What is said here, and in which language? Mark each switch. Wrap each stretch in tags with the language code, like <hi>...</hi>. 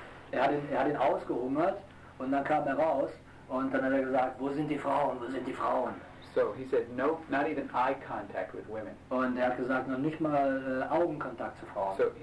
<de>Weil er hat ihn ausgehungert, und dann kam er raus, und dann hat er gesagt, "Wo sind die Frauen? Wo sind die Frauen?"</de> <en>So he said, "Nope, not even eye contact with women."</en> <de>Und er hat gesagt, noch nicht mal Augenkontakt zu Frauen.</de>